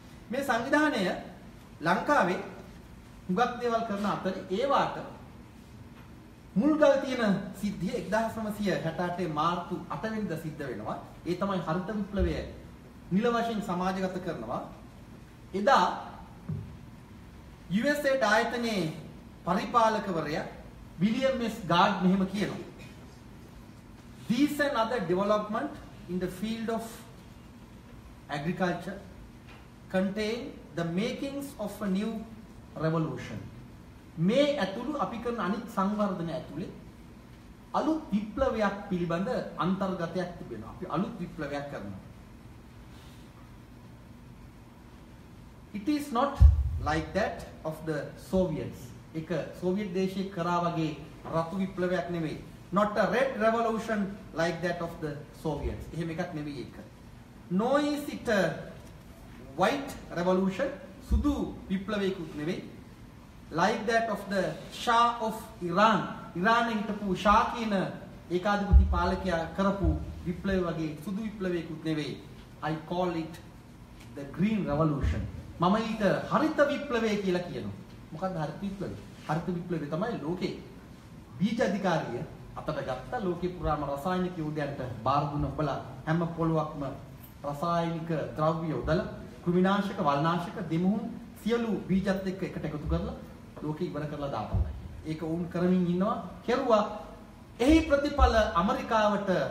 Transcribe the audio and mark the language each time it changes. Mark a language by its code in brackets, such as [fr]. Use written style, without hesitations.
[si] මේ සංවිධානය ලංකාවේ හුඟක් දේවල් කරන අතරේ ඒ වාට මුල්ගල් තියෙන සිද්ධිය 1968 මාර්තු 8 වෙනිදා සිද්ධ වෙනවා. ඒ තමයි හරිත විප්ලවය නිල වශයෙන් සමාජගත කරනවා. එදා USA ආයතනයේ පරිපාලකවරයා William S. Gard මෙහෙම කියනවා. [en] These and other development in the field of agriculture contain the makings of a new revolution. [si] මේ ඇතුළු අපි කරන අනිත් සංවර්ධන ඇතුළේ අලුත් විප්ලවයක් පිළිබඳ අන්තර්ගතයක් තිබෙනවා. අපි අලුත් විප්ලවයක් කරනවා. [en] It is not like that of the Soviets. [si] එක සෝවියට් දේශයේ කරා වගේ රතු විප්ලවයක් නෙමෙයි. [en] Not a red revolution like that of the Soviets. [si] එහෙම එකක් නෙමෙයි ඒක. [en] No is it a white revolution. [si] සුදු විප්ලවයකුත් නෙමෙයි. [en] Like that of the Shah of Iran. [si] ඉරානයේ හිටපු ෂා කියන ඒකාධිපති පාලකයා කරපු විප්ලවය වගේ සුදු විප්ලවයකුත් නෙමෙයි. [en] I call it the green revolution. [si] මම ඊට හරිත විප්ලවය කියලා කියනවා. මොකද හරිත විප්ලවය හරිත විප්ලවය තමයි ලෝකේ බීජ අධිකාරිය අතට ගත්ත ලෝකේ පුරාම රසායනික යෝධයන්ට බාර දුන්න ඔබලා හැම පොලොක්ම රසායනික ද්‍රව්‍ය උදල කෘමිනාශක වල්නාශක දෙමුහුන් සියලු බීජත් එක්ක එකට එකතු කරලා ලෝකේ ඉවර කරලා දාපන් ඒක වුන් කරමින් ඉන්නවා කෙරුවා එහි ප්‍රතිඵල ඇමරිකාවට